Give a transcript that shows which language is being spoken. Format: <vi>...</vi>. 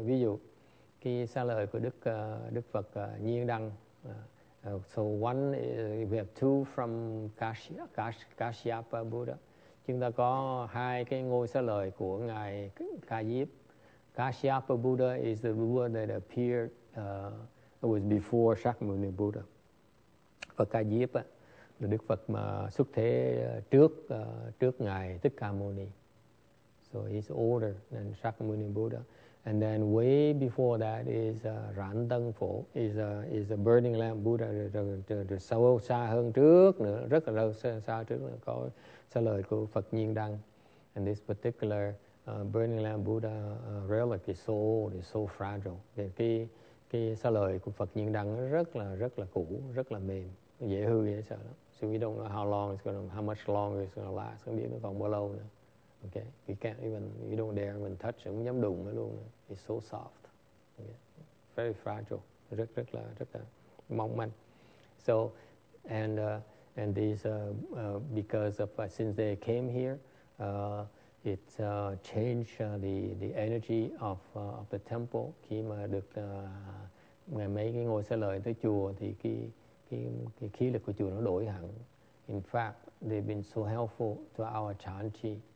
<vi>Ví dụ, cái xá lợi của Đức Phật Nhiên Đăng.</vi> <en>So one is, we have two from Kashyapa Buddha.</en> <vi>Chúng ta có hai cái ngôi xá lợi của ngài Ca Diếp.</vi> <en>Kashyapa Buddha is the Buddha that appeared it was before Shakyamuni Buddha.</en> <vi>Và Ca Diếp là Đức Phật mà xuất thế trước ngài Thích Ca Mâu Ni.</vi> <en>So he's older than Shakyamuni Buddha. And then way before that is Rán Tân Phổ, is a burning lamp Buddha,</en> <vi>sâu xa hơn trước nữa, rất là lâu xa trước nữa, có xá lợi của Phật Nhiên Đăng.</vi> <en>And this particular burning lamp Buddha relic is so old, is so fragile.</en> <vi>Cái xá lợi của Phật Nhiên Đăng rất là cũ, rất là mềm, dễ hư, dễ sợ lắm.</vi> <en>So we don't know how much longer it's gonna last,</en> <vi>không biết nó còn bao lâu nữa.</vi> <en>Okay, you can't even, you don't dare even touch,</en> <vi>không dám đụng nó luôn.</vi> <en>It's so soft, okay. Very fragile,</en> <vi>rất là mong manh.</vi> <en>So, and these because of since they came here, it changed the energy of the temple.</en> <vi>Khi mà được ngày mấy cái ngôi xá lợi tới chùa thì cái khí lực của chùa nó đổi hẳn.</vi> <en>In fact, they've been so helpful to our chanty.</en>